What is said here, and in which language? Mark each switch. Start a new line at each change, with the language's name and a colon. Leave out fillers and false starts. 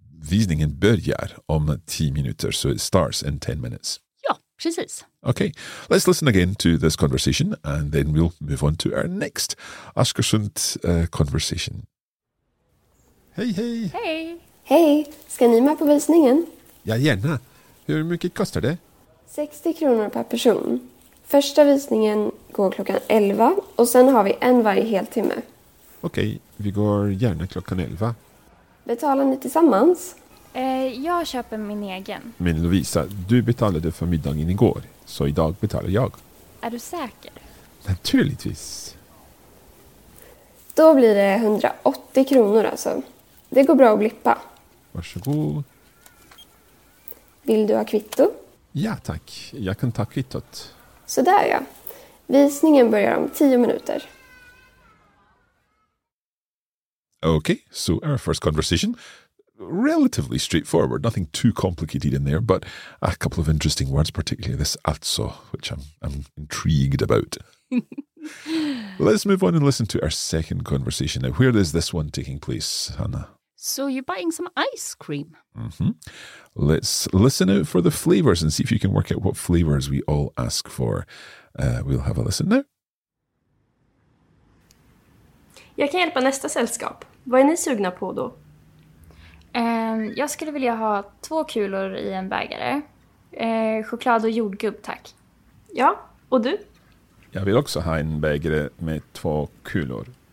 Swedish: Visningen börjar om 10 minuter.
English: So it starts in 10 minutes.
Swedish: Ja, precis.
English: Okay, let's listen again to this conversation and then we'll move on to our next Askersund conversation.
Swedish: Hej, hej! Hej! Hej, ska ni med på visningen? Ja, gärna. Hur mycket kostar det? 60 kronor per person. Första visningen går klockan 11 och sen har vi en varje heltimme. Okej, vi går gärna klockan 11. Betalar ni tillsammans? Jag köper min egen. Men Lovisa, du betalade för middagen igår, så idag betalar jag. Är du säker? Naturligtvis. Då blir det 180 kronor alltså. Det går bra att blippa. Varsågod. Vill du ha kvitto? Ja, tack. Jag kan ta kvittot. Sådär ja. Visningen börjar om 10 minuter.
English: Okay, so our first conversation. Relatively straightforward, nothing too complicated in there, but a couple of interesting words, particularly this alltså, which I'm intrigued about. Let's move on and listen to our second conversation. Now, where is this one taking place, Hannah? So you're buying some ice cream. Mm-hmm. Let's listen out for the flavors and see if you can work out what flavors we all ask for. We'll have a listen now.
Swedish: Jag kan hjälpa nästa sällskap. Vad är ni sugna på då? Jag skulle vilja ha 2 kulor i en bägare. Choklad och jordgubb, tack. Ja, och du? Jag vill också ha en bägare med 2 kulor.